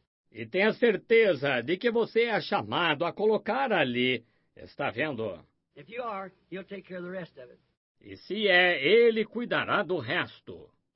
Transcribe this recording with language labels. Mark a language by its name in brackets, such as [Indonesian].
[Portuguese] E tenha certeza de que você é chamado a colocar ali. Está vendo? [English] If you are, he'll take care of the rest of it. [Portuguese] E se é, ele cuidará do resto.